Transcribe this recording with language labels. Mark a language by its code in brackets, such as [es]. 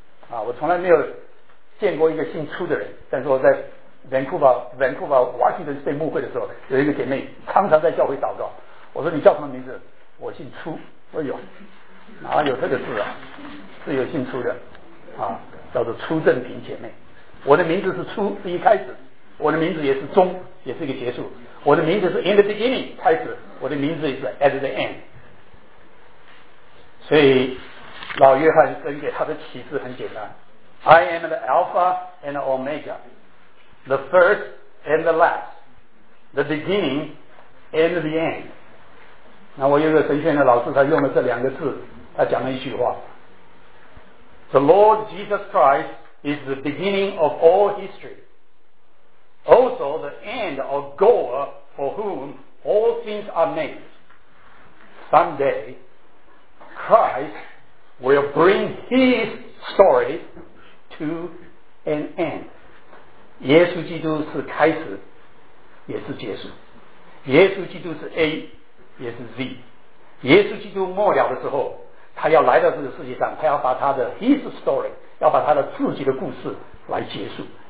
[zh] 啊，我从来没有见过一个姓初的人，但是我在 Vancouver Washington State 牧会的时候，有一个姐妹常常在教会祷告，我说你叫什么名字，我姓初，我有哪有这个字啊，是有姓初的啊，叫做初正平姐妹，我的名字是初，是一开始，我的名字也是中，也是一个结束，我的名字是 [en] in the beginning [zh] 开始，我的名字也是 [en] at the end。 [zh] 所以老约翰分给他的启示很简单， [en] I am the Alpha and the Omega， the first and the last， the beginning and the end。 [zh] 那我有一个神学院的老师，他用了这两个字，他讲了一句话， [en] The Lord Jesus Christ is the beginning of all history, also the end or goal for whom all things are made. Someday Christ will bring his story to an end. [zh] 耶稣基督是开始也是结束，耶稣基督是 A也是 Z， 耶稣基督末了的时候他要来到这个世界上，他要把他的 [en] his story， [zh] 要把他的自己的故事来结束。